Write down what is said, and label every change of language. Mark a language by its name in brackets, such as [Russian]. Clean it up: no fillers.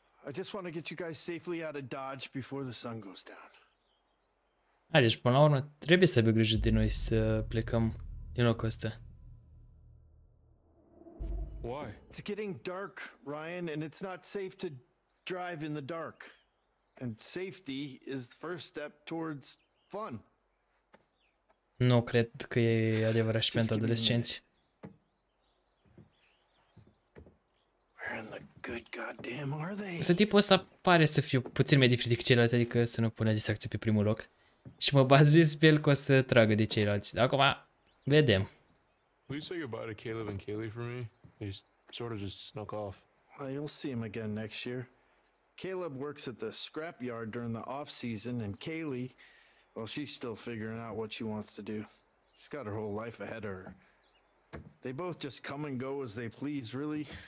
[English] I just want to get you guys safely out of Dodge before the sun goes down. [Romanian] Hai, deci până la urmă trebuie să aibă grijă de noi să plecăm din locul ăsta. [English] Why? It's getting dark, Ryan, and it's not safe to drive in the dark. And safety is the first step towards fun. [Romanian] Nu cred că e adevărat și pentru adolescenți. [English] Where in the good goddamn are they? [Romanian] Să tipul ăsta pare să fie puțin mai diferit decât ceilalți, adică să nu pune distracție pe primul loc. Și mă bazez pe el că o să tragă de ceilalți. Acum, vedem. [English] Will you say goodbye to Caleb and Kaylee for me? They sort of just snuck off. Well, you'll see him again next year. Caleb works at the scrapyard during the off-season, and Kaylee, well, she's still figuring out what she wants to do. She's got her whole life ahead of her. They both just come and go as they please, really.